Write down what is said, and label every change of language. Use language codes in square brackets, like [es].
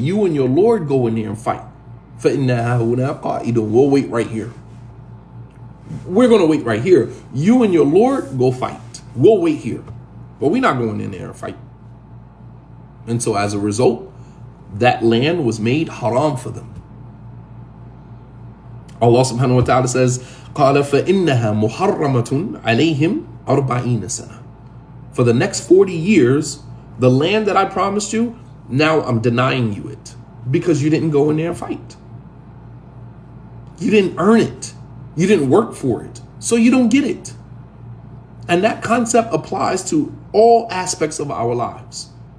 [en] You and your Lord go in there and fight. We'll wait right here. We're going to wait right here. You and your Lord go fight. We'll wait here. But we're not going in there and fight. And so as a result, that land was made haram for them. Allah subhanahu wa ta'ala says, [ar] قَالَ فَإِنَّهَا مُحَرَّمَةٌ عَلَيْهِمْ أَرْبَعِينَ سَنَةً. [en] For the next 40 years, the land that I promised you, now I'm denying you it because you didn't go in there and fight. You didn't earn it. You didn't work for it. So you don't get it. And that concept applies to all aspects of our lives.